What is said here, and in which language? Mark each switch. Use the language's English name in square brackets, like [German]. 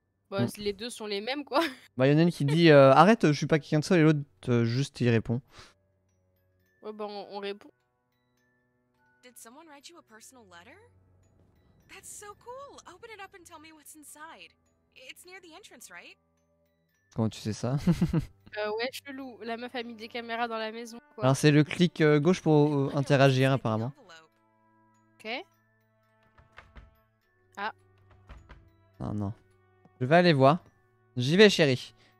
[French] Bah, les deux sont les mêmes, quoi. Bah, y en a une qui dit arrête, je suis pas quelqu'un de seul, et l'autre juste y répond. Ouais, bah, on répond. [English] Did someone write you a personal letter? That's so cool. Open it up and tell me what's inside. It's near the entrance, right? [French] Comment tu sais ça? Ouais, chelou. La meuf a mis des caméras dans la maison, Alors, quoi. c'est le clic gauche pour interagir, apparemment. Ok. Ah. Non, non. Je vais aller voir. J'y vais, chérie.